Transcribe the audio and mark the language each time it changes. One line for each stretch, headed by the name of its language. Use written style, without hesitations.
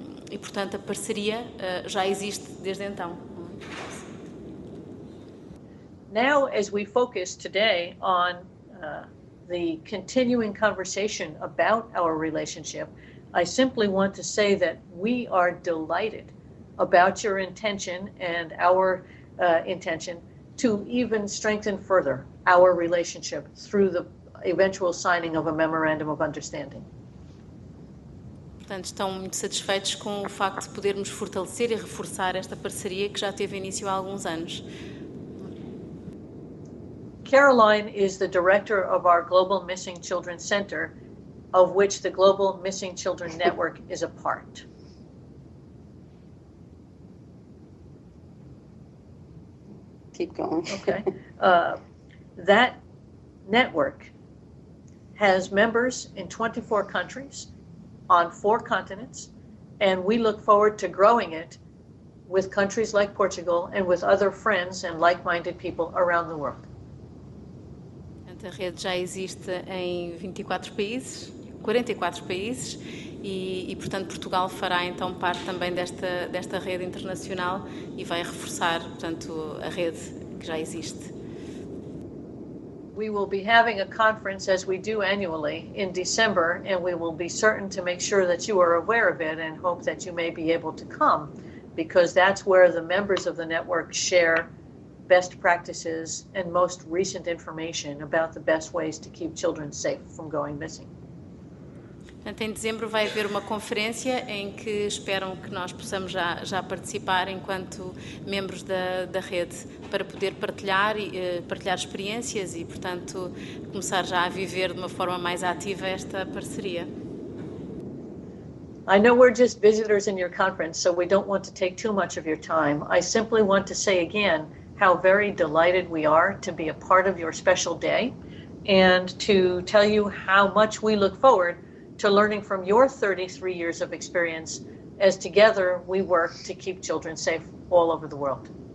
Portuguese: E, portanto, a parceria já existe desde então.
English: Now, as we focus today on the continuing conversation about our relationship, I simply want to say that we are delighted about your intention and our intention to even strengthen further our relationship through the eventual signing of a memorandum of understanding.
Portuguese: Portanto, estão muito satisfeitos com o facto de podermos fortalecer e reforçar esta parceria que já teve início há alguns anos.
English: Caroline is the director of our Global Missing Children Center, of which the Global Missing Children Network is a part. Keep going. Okay. That network has members in 24 countries on 4 continents, and we look forward to growing it with countries like Portugal and with other friends and like-minded people around the world.
Portuguese: A rede já existe em 44 países, e portanto Portugal fará então parte também desta rede internacional e vai reforçar, portanto, a rede que já existe.
English: We will be having a conference, as we do annually, in December, and we will be certain to make sure that you are aware of it and hope that you may be able to come, because that's where the members of the network share best practices and most recent information about the best ways to keep children safe from going missing.
Portuguese: Portanto, em dezembro vai haver uma conferência em que esperam que nós possamos já participar enquanto membros da rede para poder partilhar experiências e, portanto, começar já a viver de uma forma mais ativa esta parceria.
English: I know we're just visitors in your conference, so we don't want to take too much of your time. I simply want to say again how very delighted we are to be a part of your special day and to tell you how much we look forward to learning from your 33 years of experience as together we work to keep children safe all over the world.